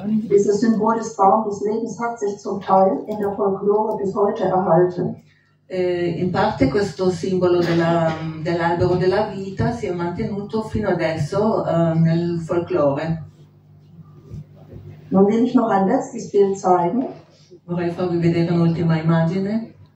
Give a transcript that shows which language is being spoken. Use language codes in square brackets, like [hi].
[de] Dieses Symbol des Baum des Lebens hat sich zum Teil in der Folklore bis heute erhalten. [it] In parte questo simbolo dell'albero della vita si è mantenuto fino adesso nel folklore. [de] Non will ich noch ein letztes Bild zeigen. [it] Vorrei farvi vedere un'ultima immagine.